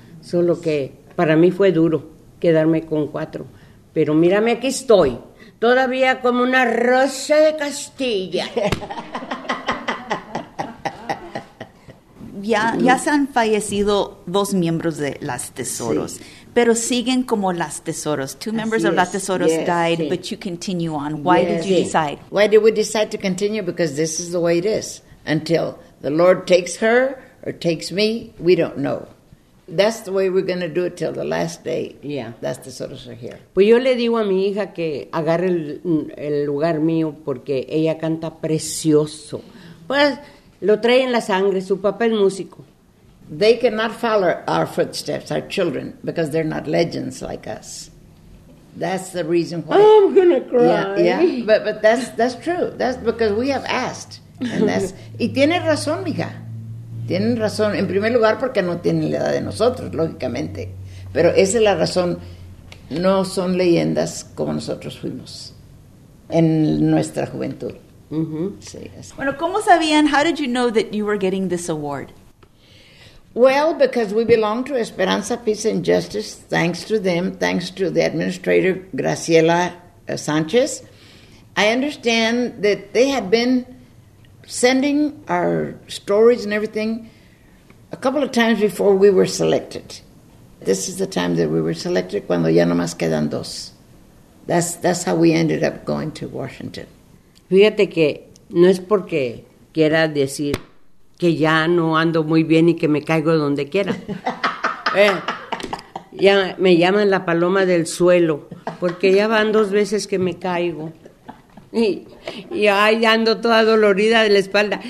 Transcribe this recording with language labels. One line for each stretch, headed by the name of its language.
Spanish: Solo que para mí fue duro quedarme con 4. Pero mírame, aquí estoy, todavía como una rosa de Castilla. Y ya se han fallecido dos miembros de Las Tesoros, sí. Pero siguen como Las Tesoros.
English: Two members of Las Tesoros died, but you continue on. Why did you decide? Why did we decide to continue? Because this is the way it is. Until the Lord takes her or takes me, we don't know. That's the way we're going to do it till the last day. Yeah. Las Tesoros are here.
Spanish: Pues yo le digo a mi hija que agarre el lugar mío porque ella canta precioso. Pues lo trae en la sangre, su papá es músico.
English: They cannot follow our footsteps, our children, because they're not legends like us. That's the reason why. Oh, I'm going to cry. But that's true. That's because we have asked. And that's,
Spanish: y tiene razón, mija. Tienen razón. En primer lugar, porque no tienen la edad de nosotros, lógicamente. Pero esa es la razón. No son leyendas como nosotros fuimos en nuestra juventud. Sí, bueno, ¿cómo sabían?
English: How did you know that you were getting this award? Well, because we belong to Esperanza, Peace, and Justice, thanks to them, thanks to the administrator, Graciela Sanchez. I understand that they had been sending our stories and everything a couple of times before we were selected. This is the time that we were selected,
Spanish: cuando ya nomás quedan dos.
English: That's how we ended up going to Washington.
Spanish: Fíjate que no es porque quiera decir que ya no ando muy bien y que me caigo donde quiera. Ya me llaman la paloma del suelo, porque ya van dos veces que me caigo. Y ahí ando toda dolorida de la espalda.